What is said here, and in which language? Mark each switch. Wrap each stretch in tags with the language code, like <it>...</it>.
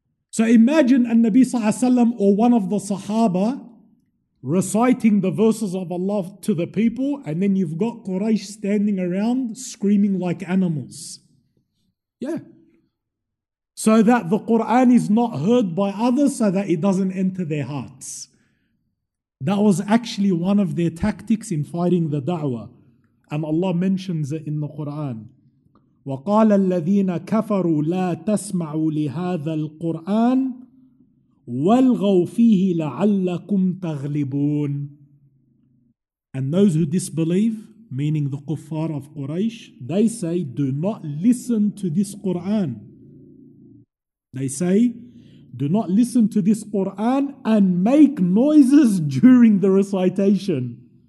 <en>So imagine an Nabi sallallahu alaihi wasallam or one of the Sahaba reciting the verses of Allah to the people, and then you've got Quraysh standing around screaming like animals. Yeah. So that the Quran is not heard by others, so that it doesn't enter their hearts. That was actually one of their tactics in fighting the da'wah. And Allah mentions it in the Quran.</en> <ar>وقال الذين كفروا لا تسمعوا لهذا القرآن والغوا فيه لعلكم تغلبون.</ar> <en>And those who disbelieve, meaning the kuffar of Quraysh, they say, "Do not listen to this Quran." They say, "Do not listen to this Quran and make noises during the recitation.</en>